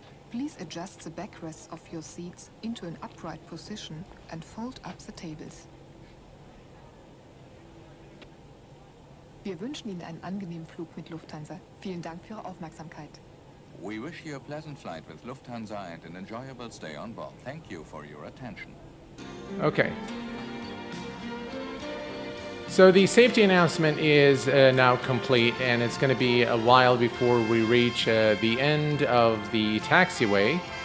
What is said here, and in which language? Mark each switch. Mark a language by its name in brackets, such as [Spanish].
[English] Please adjust the backrests of your seats into an upright position and fold up the tables. [German] Wir wünschen Ihnen einen angenehmen Flug mit Lufthansa. Vielen Dank für Ihre Aufmerksamkeit. [English] We wish you a pleasant flight with Lufthansa and an enjoyable stay on board. Thank you for your attention. Okay. So the safety announcement is now complete, and it's going to be a while before we reach the end of the taxiway.